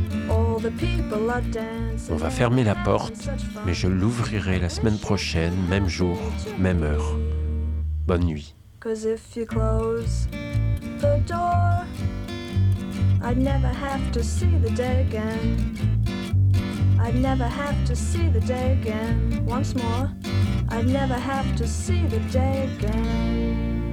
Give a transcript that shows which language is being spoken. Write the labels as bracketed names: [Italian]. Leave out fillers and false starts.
[English] All the people are dancing. [French] On va fermer la porte, mais je l'ouvrirai la semaine prochaine, même jour, même heure. Bonne nuit. [English] 'Cause if you close the door, I'd never have to see the day again. I'd never have to see the day again. Once more, I'd never have to see the day again.